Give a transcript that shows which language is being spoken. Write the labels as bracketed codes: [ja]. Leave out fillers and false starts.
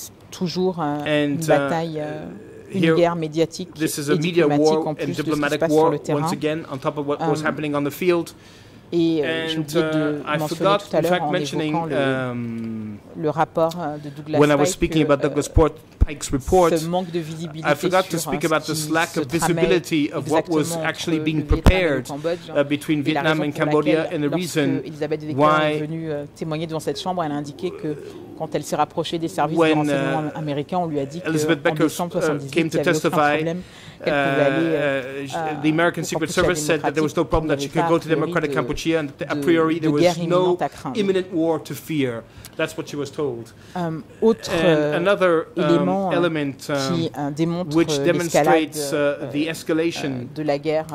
[fr] Toujours une guerre médiatique et diplomatique en plus de ce qui se passe sur le terrain. [en] Once again, on top of what was happening on the field. [fr] Et j'ai oublié de mentionner tout à l'heure en évoquant le rapport de Douglas [en] When I was speaking about Douglas Port Pike's report, [fr] ce manque de visibilité, [en] I forgot to speak about this lack of visibility of what was actually being prepared between Vietnam and Cambodia, and the reason why [fr] est venue témoigner devant cette chambre, elle a indiqué que quand elle s'est rapprochée des services de renseignement américains, on lui a dit qu'en décembre 1978, il y avait aucun problème. [en] The American Secret Service said that there was no problem that she could go to Democratic Cambodia, and a priori there was no imminent war to fear. That's what she was told. Another element which demonstrates the escalation [fr] de la guerre